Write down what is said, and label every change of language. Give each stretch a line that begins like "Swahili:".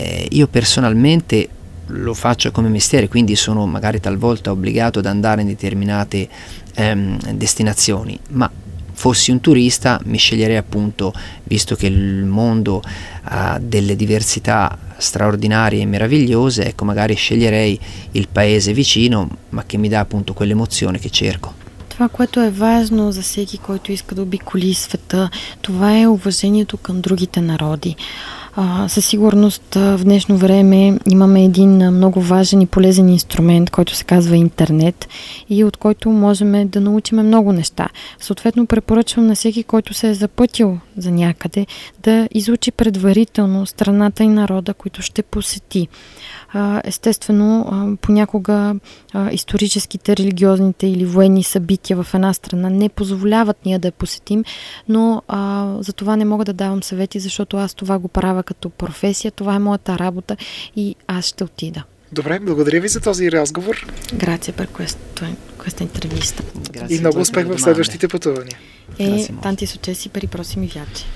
Italian: Io personalmente lo faccio come mestiere, quindi sono magari talvolta obbligato ad andare in determinate destinazioni, ma fossi un turista mi sceglierei, appunto, visto che il mondo ha delle diversità straordinarie e meravigliose, ecco, magari sceglierei il paese vicino, ma che mi dà appunto quell'emozione che cerco.
Bulgarian: Това, което е важно за всеки, който иска да обиколи света, това е уважението към другите народи. Със сигурност в днешно време имаме един много важен и полезен инструмент, който се казва интернет и от който можем да научим много неща. Съответно, препоръчвам на всеки, който се е запътил за някъде, да изучи предварително страната и народа, които ще посети. Естествено, понякога историческите, религиозните или военни събития в една страна не позволяват ние да я посетим, но за това не мога да давам съвети, защото аз това го правя като професия, това е моята работа и аз ще отида. Добре, благодаря ви за този разговор.
Italian: Grazie per questa intervista.
Bulgarian: И много успех в следващите пътувания.
Italian: Tanti successi per i prossimi viaggi.